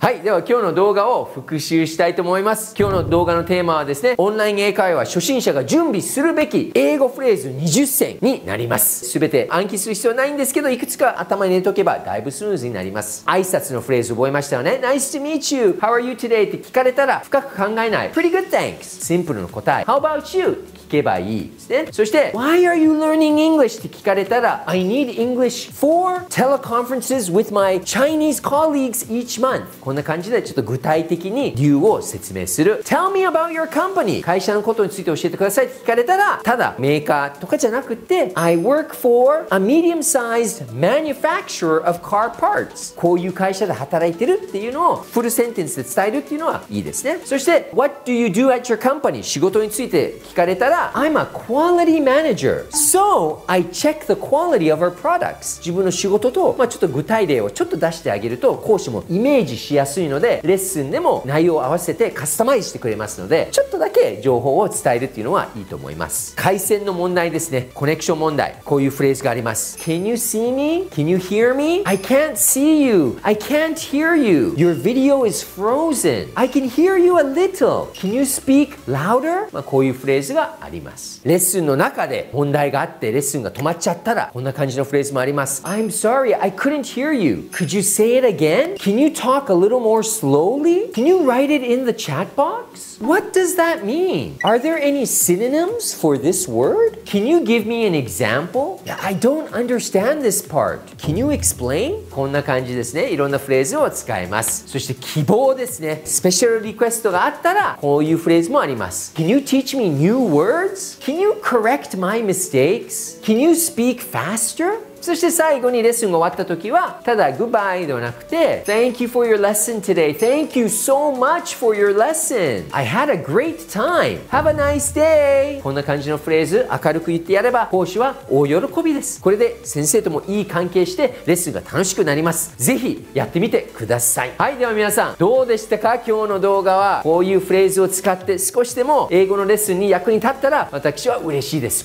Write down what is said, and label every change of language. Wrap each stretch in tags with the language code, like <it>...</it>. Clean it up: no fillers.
<ja>はい、では今日の動画を復習したいと思います。今日の動画のテーマはですね、オンライン英会話初心者が準備するべき英語フレーズ20選になります。全て暗記する必要はないんですけど、いくつか頭に入れとけばだいぶスムーズになります。挨拶のフレーズ覚えましたよね。</ja> <en>Nice to meet you. How are you today?</en> <ja>って聞かれたら深く考えない。</ja> <en>Pretty good thanks.</en> <ja>シンプルの答え。</ja> <en>How about you?</en> <ja>聞けばいいですね。</ja> <en>そして Why are you learning English?</en> <ja>って聞かれたら</ja> <en>I need English for teleconferences with my Chinese colleagues each month。</en> <ja>こんな感じでちょっと具体的に理由を説明する。</ja> <en>Tell me about your company。</en> <ja>会社のことについて教えてくださいって聞かれたら、ただメーカーとかじゃなくて</ja> <en>I work for a medium-sized manufacturer of car parts。</en> <ja>こういう会社で働いてるっていうのをフルセンテンスで伝えるっていうのはいいですね。</ja> <en>そして What do you do at your company?</en> <ja>仕事について聞かれたら、</ja> <en>I'm a quality manager, so I check the quality of our products.</en> <ja>自分の仕事と、まあ、ちょっと具体例をちょっと出してあげると講師もイメージしやすいので、レッスンでも内容を合わせてカスタマイズしてくれますので、ちょっとだけ情報を伝えるっていうのはいいと思います。回線の問題ですね、コネクション問題、こういうフレーズがあります。</ja> <en>Can you see me? Can you hear me? I can't see you. I can't hear you. Your video is frozen. I can hear you a little. Can you speak louder?</en> <ja>まあこういうフレーズがあります。レッスンの中で問題があってレッスンが止まっちゃったら、こんな感じのフレーズもあります。</ja> <en>I'm sorry, I couldn't hear you. Could you say it again? Can you talk a little more slowly? Can you write it in the chat box? What does that mean? Are there any synonyms for this word? Can you give me an example? I don't understand this part. Can you explain?</en> <ja>こんな感じですね、いろんなフレーズを使います。そして希望ですね、スペシャルリクエストがあったらこういうフレーズもあります。</ja> <en>Can you teach me new words? Can you correct my mistakes? Can you speak faster?</en> <ja>そして最後にレッスンが終わったときは、ただ</ja> <en>Goodbye</en> <ja>ではなくて</ja> <en>Thank you for your lesson today. Thank you so much for your lesson. I had a great time. Have a nice day.</en> <ja>こんな感じのフレーズ明るく言ってやれば講師は大喜びです。これで先生ともいい関係してレッスンが楽しくなります。ぜひやってみてください。はい、では皆さんどうでしたか。今日の動画はこういうフレーズを使って少しでも英語のレッスンに役に立ったら私は嬉しいです。</ja>